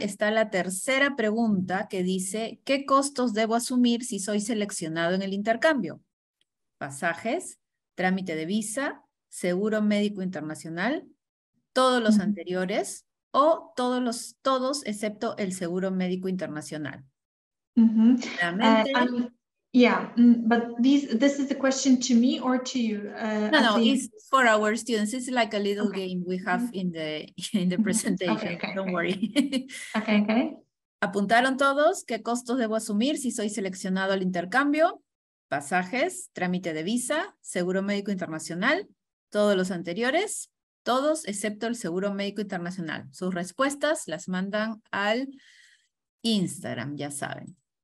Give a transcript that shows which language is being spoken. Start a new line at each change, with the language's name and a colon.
Spanish: Está la tercera pregunta que dice, ¿qué costos debo asumir si soy seleccionado en el intercambio? Pasajes, trámite de visa, seguro médico internacional, todos los anteriores o todos excepto el seguro médico internacional.
English: But this is the question to me or to you? No, it's for our students. It's like a little game we have in the presentation. Don't worry. Okay.
Spanish: ¿Apuntaron todos? ¿Qué costos debo asumir si soy seleccionado al intercambio? Pasajes, trámite de visa, seguro médico internacional, todos los anteriores, todos excepto el seguro médico internacional. Sus respuestas las mandan al Instagram, ya saben.